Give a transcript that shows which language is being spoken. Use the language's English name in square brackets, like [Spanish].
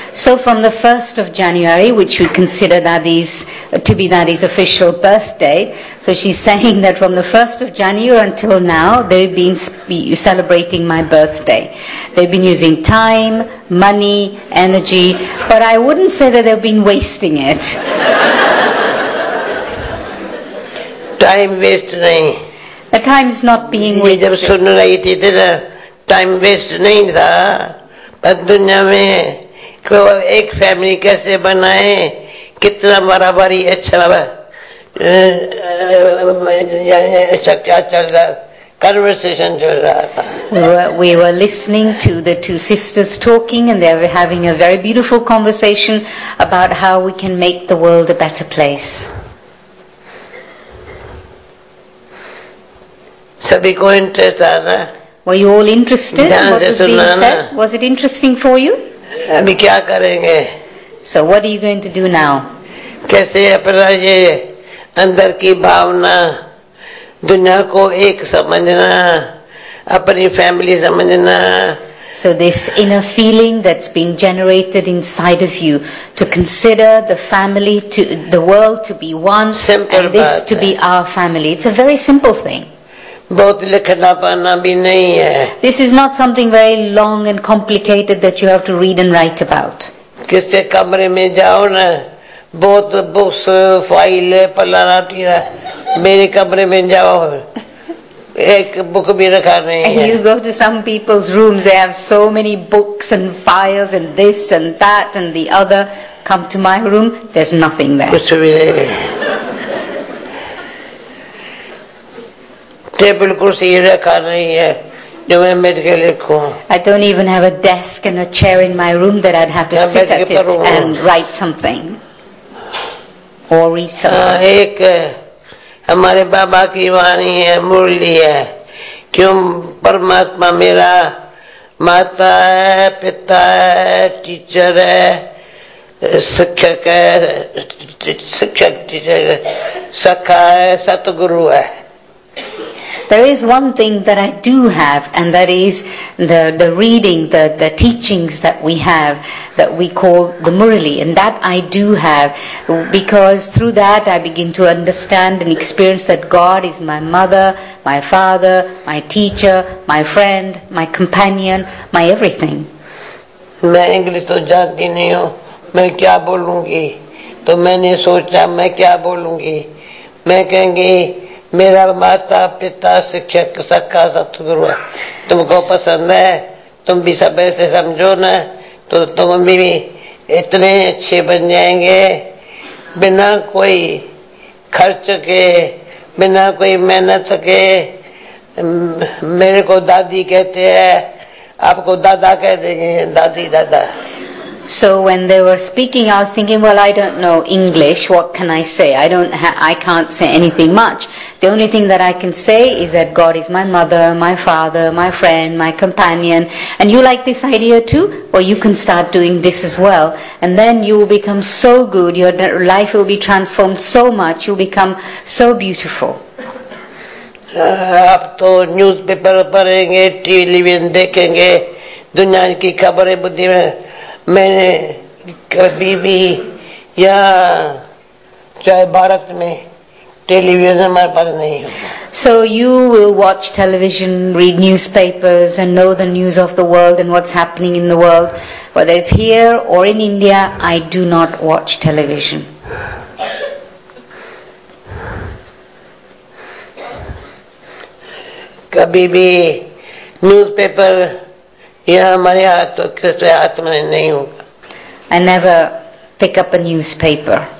[English] So from the 1st of January, which we consider Daddy's, to be Daddy's official birthday, so she's saying that from the 1st of January until now, they've been celebrating my birthday. They've been using time, money, energy, but I wouldn't say that they've been wasting it. [Hindi] Time waste nahi. [English] The time is not being wasted. [Hindi] Jab sun rahi thi, tera time waste nahi tha, par duniya mein एक family कैसे बनाए, कितना बराबरी अच्छा चल रहा, conversation चल रहा था. [English] We were listening to the two sisters talking and they were having a very beautiful conversation about how we can make the world a better place. [Hindi] सभी को इंटरेस्ट आ रहा. [English] Were you all interested in what was being said? Was it interesting for you? [Hindi] अभी क्या करेंगे? [English] So what are you going to do now? [Hindi] कैसे अपना ये अंदर की भावना, दुनिया को एक समझना, अपनी फैमिली समझना. [English] So this inner feeling that's been generated inside of you to consider the family, to the world to be one, simple and this to be our family. It's a very simple thing. [Hindi] बहुत लिखना पढ़ना भी नहीं है. [English] This is not something very long and complicated that you have to read and write about. [Hindi] किसके कमरे में जाओ ना, बहुत बुक्स, फाइल, पलाराटिया. मेरे कमरे में जाओ, एक बुक भी रखा नहीं है. [English] And you go to some people's rooms, they have so many books and files and this and that and the other. Come to my room, there's nothing there. [Hindi] कुछ भी नहीं. टेबल कुर्सी रखा नहीं है जो मैं मेज के लिखूं. [English] I don't even have a desk and a chair in my room that I'd have to sit at it and write something or read something. [Hindi] एक हमारे बाबा की वाणी है, मुरली है, क्यों परमात्मा मेरा माता है, पिता है, टीचर है, शिक्षक है, शिक्षक टीचर सखा है, सतगुरु है. [English] There is one thing that I do have, and that is the reading, the teachings that we have, that we call the Murali, and that I do have, because through that I begin to understand and experience that God is my mother, my father, my teacher, my friend, my companion, my everything. [Hindi] मैं English तो जानती नहीं हूँ, मैं क्या बोलूँगी? तो मैंने सोचा मैं क्या बोलूँगी? मैं कहूँगी मेरा माता पिता शिक्षक सखा सतगुरु तुमको पसंद है, तुम भी सब ऐसे समझो ना, तो तुम भी इतने अच्छे बन जाएंगे, बिना कोई खर्च के, बिना कोई मेहनत के. मेरे को दादी कहते हैं, आपको दादा कह देंगे, दादी दादा. [English] So when they were speaking, I was thinking, well, I don't know English, what can I say? I can't say anything much. The only thing that I can say is that God is my mother, my father, my friend, my companion. And you like this idea too? Well, you can start doing this as well. And then you will become so good, your life will be transformed so much, you'll become so beautiful. [Hindi] आप तो newspaper पढ़ेंगे, television देखेंगे, दुनिया की खबरें बुद्धि में, मैंने कभी भी या चाहे भारत में टेलीविजन हमारे पास नहीं है। [English] So you will watch television, read newspapers and know the news of the world and what's happening in the world, whether it's here or in India, I do not watch television. [Hindi] कभी भी newspaper या हमारे हाथ में नहीं होगा। [English] I never pick up a newspaper.